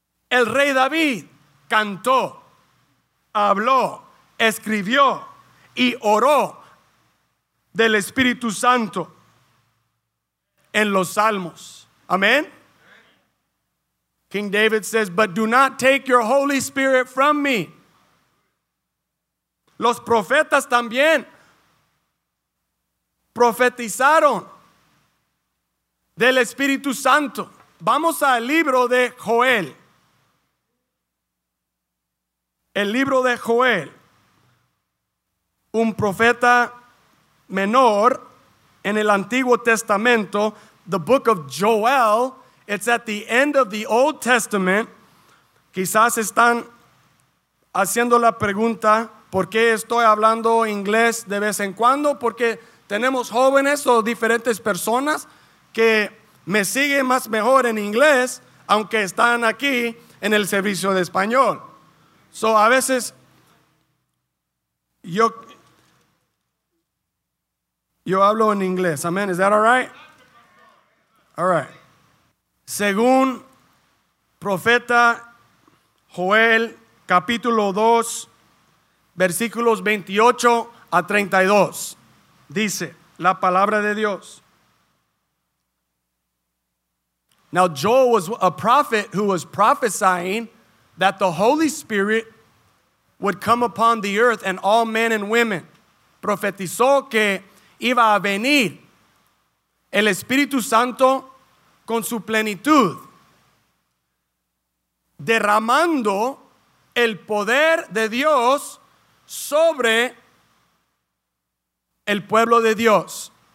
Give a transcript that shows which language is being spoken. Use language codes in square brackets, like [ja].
[es] El rey David cantó, habló, escribió y oró del Espíritu Santo en los Salmos. Amén. [en] King David says, "But do not take your Holy Spirit from me." [es] Los profetas también profetizaron del Espíritu Santo. Vamos al libro de Joel. El libro de Joel, un profeta menor en el Antiguo Testamento. [en] The book of Joel, it's at the end of the Old Testament. [es] Quizás están haciendo la pregunta, ¿por qué estoy hablando inglés de vez en cuando? Porque tenemos jóvenes o diferentes personas que me siguen más mejor en inglés, aunque están aquí en el servicio de español. [en] So, [es] a veces yo hablo en inglés. [en] Amen. Is that all right? All right. [es] Según profeta Joel, capítulo 2, versículos 28 a 32, dice la palabra de Dios. [en] Now Joel was a prophet who was prophesying that the Holy Spirit would come upon the earth and all men and women. [es] Profetizó que iba a venir el Espíritu Santo con su plenitud, derramando el poder de Dios sobre el pueblo de Dios.